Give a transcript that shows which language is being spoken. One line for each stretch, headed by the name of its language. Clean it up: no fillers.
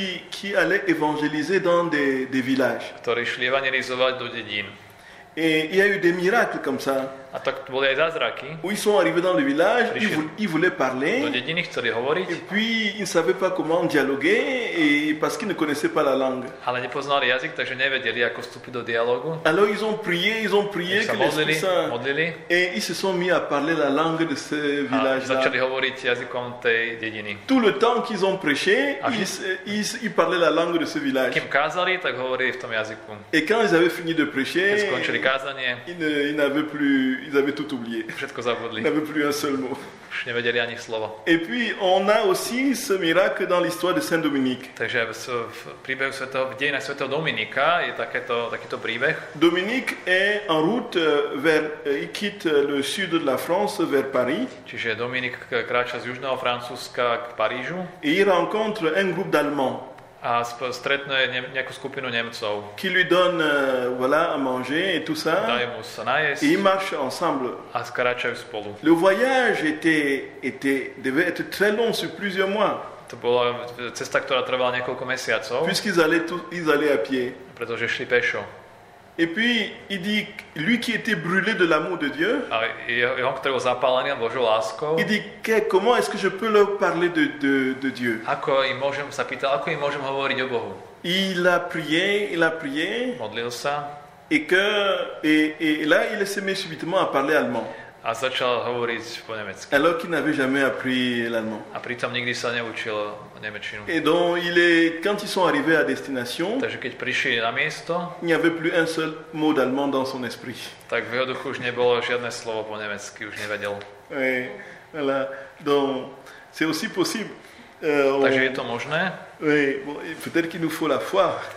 French: qui allaient évangéliser dans des villages.
Slovak: Ktorí šli evangelizovať do dedín.
French: Et il y a eu des miracles comme ça.
Slovak: A tak to boli aj zázraky.
French: Où ils sont arrivés dans le village, ils voulaient parler.
Slovak: Do dediny chceli hovoriť.
French: Et puis ils ne savaient pas comment dialoguer et parce qu'ils ne connaissaient pas la langue.
Slovak: Ale nepoznali jazyk, takže nevedeli ako vstúpiť do dialogu.
French: Alors ils ont prié
Slovak: que modlili, modlili.
French: Et ils se sont mis à parler la langue de ce village.
Slovak: A začali hovoriť jazykom tej dediny.
French: Tout le temps qu'ils ont prêché, ils parlaient la langue de ce village.
Slovak: Kým kázali, tak hovorili v tom jazyku.
French: Et quand ils avaient fini de prêcher,
Slovak: keď skončili kázanie,
French: ils n'avaient plus ils avaient tout oublié.
Slovak: Všetko zabudli.
French: N'avaient plus un seul mot.
Slovak: Už nevedeli ani slovo.
French: Et puis on a aussi ce miracle dans l'histoire de Saint Dominique.
Slovak: Takže v príbehu svätého, v dejinách svätého Dominika je takýto príbeh.
French: Dominique est en route vers il quitte le sud de la France vers Paris.
Slovak: Čiže Dominik kráča z južného Francúzska k Parížu.
French: Et il rencontre un groupe d'Allemands.
Slovak: a stretne nejakú skupinu Nemcov.
French: Qui lui donne voilà à manger et tout ça.
Slovak: Dajú mu sa najesť.
French: Et ils marchent ensemble.
Slovak: A skračajú spolu.
French: Le voyage était devait être très long sur plusieurs mois.
Slovak: To bola cesta, ktorá trvala niekoľko mesiacov.
French: Puisqu'ils allaient tous ils allaient à pied.
Slovak: Pretože šli pešo.
French: Et puis il dit lui qui était brûlé de l'amour de Dieu. Il dit que, comment est-ce que je peux leur parler de Dieu?
Slovak: Ako im môžem sa pýtať, ako im môžem hovoriť o Bohu?
French: Il a prié.
Slovak: Modlil sa.
French: Et là il s'est mis subitement à parler allemand.
Slovak: A začal hovoriť po nemecky.
French: Alors qu'il n'avait jamais appris l'allemand.
Slovak: A pritom nikdy sa neučil nemečinu.
French: Et donc quand ils sont arrivés à destination,
Slovak: takže keď prišli na miesto,
French: il n'y avait plus un seul mot d'allemand dans son esprit.
Slovak: Tak v jeho duchu už nebolo žiadne slovo po nemecky, už nevedel.
French: Voilà. Donc c'est aussi possible.
Slovak: Takže je to možné?
French: Oui, bon, peut-être qu'il nous faut la foi.